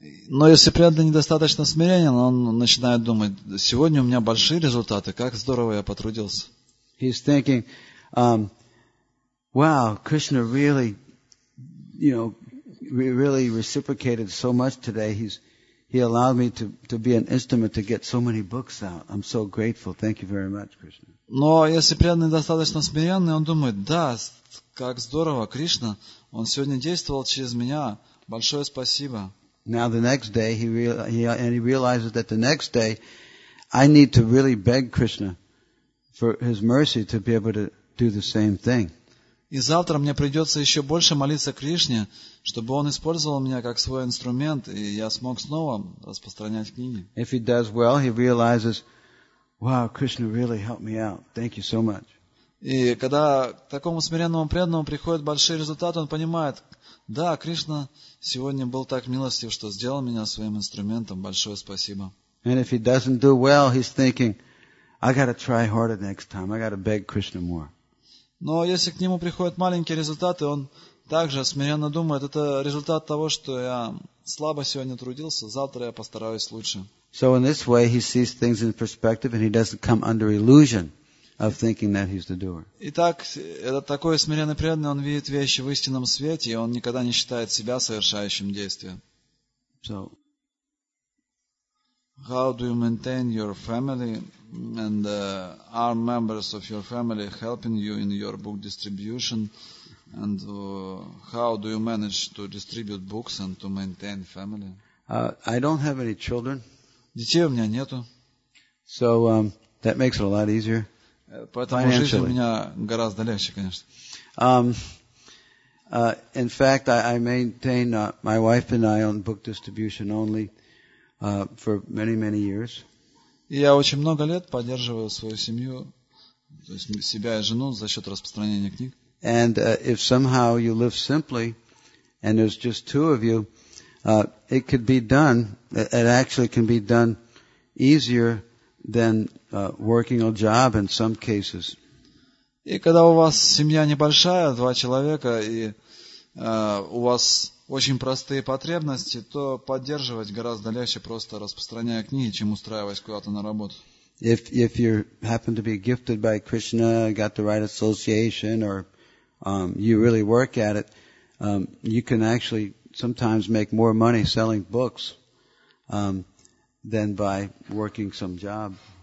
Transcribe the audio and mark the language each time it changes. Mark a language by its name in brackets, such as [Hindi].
[Russian] Но если преданный недостаточно смиренен, он начинает думать, сегодня у меня большие результаты, как здорово я потрудился. [English] He's thinking, wow, Krishna really, you know, really reciprocated so much today. He allowed me to be an instrument to get so many books out. I'm so grateful. Thank you very much, Krishna. [Russian] Но если преданный достаточно смиренный, он думает, да, как здорово, Кришна, он сегодня действовал через меня. Большое спасибо. [English] Now the next day, he realizes that the next day, I need to really beg Krishna for his mercy to be able to do the same thing. [Russian] И завтра мне придется еще больше молиться Кришне, чтобы он использовал меня как свой инструмент, и я смог снова распространять книги. [English] If he does well, he realizes, wow, Krishna really helped me out. Thank you so much. [Russian] И когда к такому смиренному преданному приходят большие результаты, он понимает, да, Кришна сегодня был так милостив, что сделал меня своим инструментом. Большое спасибо. [English] And if he doesn't do well, he's thinking, I gotta try harder next time. I gotta beg Krishna more. [Russian] Но если к нему приходят маленькие результаты, он также смиренно думает, это результат того, что я слабо сегодня трудился, завтра я постараюсь лучше. [English] So in this way he sees things in perspective and he doesn't come under illusion of thinking that he's the doer. [Russian] Итак, этот такой смиренный преданный, он видит вещи в истинном свете, и он никогда не считает себя совершающим действие. [English] So how do you maintain your family and are members of your family helping you in your book distribution and how do you manage to distribute books and to maintain family? I don't have any children. [Russian] Детей у меня нету. [English] So that makes it a lot easier. [Russian] Поэтому [English] financially. [Russian] Жизнь у меня гораздо легче, конечно. [English] In fact, I maintain my wife and I on book distribution only. For many, many years. [Russian] Я очень много лет поддерживаю свою семью, то есть себя и жену за счет распространения книг. [English] And if somehow you live simply, and there's just two of you, it could be done. It actually can be done easier than working a job in some cases. [Russian] И когда у вас семья небольшая, два человека, и у вас очень простые потребности, то поддерживать гораздо легче, просто распространяя книги, чем устраиваясь куда-то на работу. [English] If you happen to be gifted by Krishna, got the right association, or you really work at it, you can actually sometimes make more money selling books than by working some job.